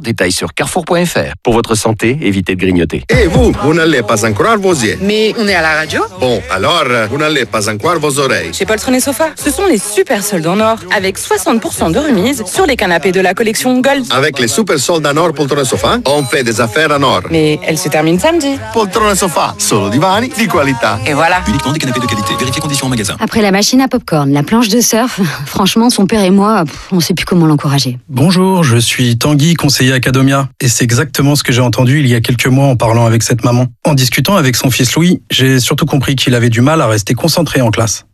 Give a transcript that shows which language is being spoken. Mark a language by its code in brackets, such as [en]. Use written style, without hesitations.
[fr] Détails sur carrefour.fr. Pour votre santé, évitez de grignoter. Et hey, vous, vous n'allez pas encore vos yeux. Mais on est à la radio. Bon, alors, vous n'allez pas encore vos oreilles. Chez Poltron et Sofa, ce sont les super soldes en or, avec 60% de remise sur les canapés de la collection Gold. Avec les super soldes en or Poltron et Sofa, on fait des affaires en or. Mais elles se terminent samedi. [it] Poltron et Sofa, solo divani di qualità. [fr] Et voilà. Uniquement des canapés de qualité. Vérifiez conditions en magasin. Après la machine à popcorn, la planche de surf, franchement, son père et moi, on ne sait plus comment l'encourager. Bonjour, je suis Tanguy, conseiller Acadomia. Et c'est exactement ce que j'ai entendu il y a quelques mois en parlant avec cette maman. En discutant avec son fils Louis, j'ai surtout compris qu'il avait du mal à rester concentré en classe.